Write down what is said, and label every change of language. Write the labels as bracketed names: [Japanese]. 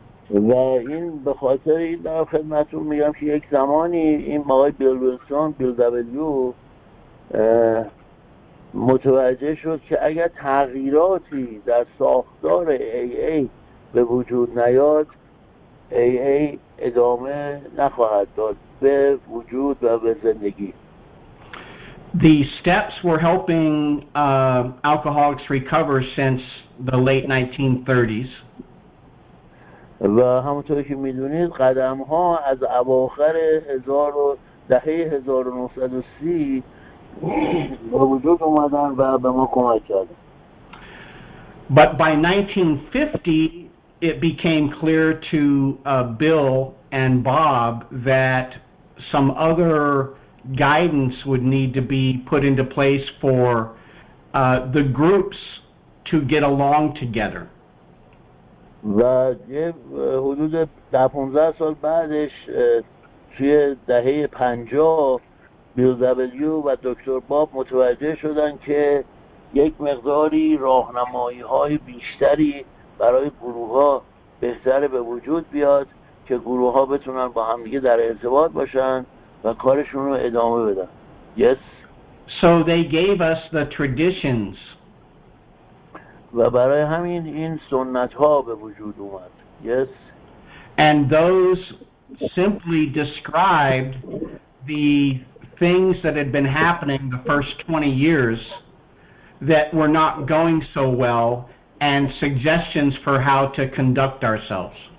[Persian] و این به خاطر این در خدمتون میگم که یک زمانی این آقای بیل دبلیو متوجه شد که اگر تغییراتی در ساختار AA به وجود نیاد AA ادامه نخواهد داد به وجود و به زندگی. [English] The steps were helping alcoholics recover since the late 1930s. [Persian] و همونطور که میدونید قدم ها از اواخر دهه 1930 به وجود اومدن و به ما کمک کردن. [English] But by 1950 it became clear to Bill and Bob that some other guidance would need to be put into place for the groups to get along together. [Persian] و حدود 15 سال بعدش توی دهه 50 بیل دبلیو و دکتر باب متوجه شدن که یک مقداری راهنمایی های بیشتری برای گروه ها بهتر به وجود بیاد که گروه ها بتونن با همدیگه در ارتباط باشن و کارشون رو ادامه بدن. [English] Yes. So they gave us the traditions. [Persian] و برای همین این سنت ها به وجود اومد. [English] Yes. And those simply described the things that had been happening the first 20 years that were not going so well and suggestions for how to conduct ourselves.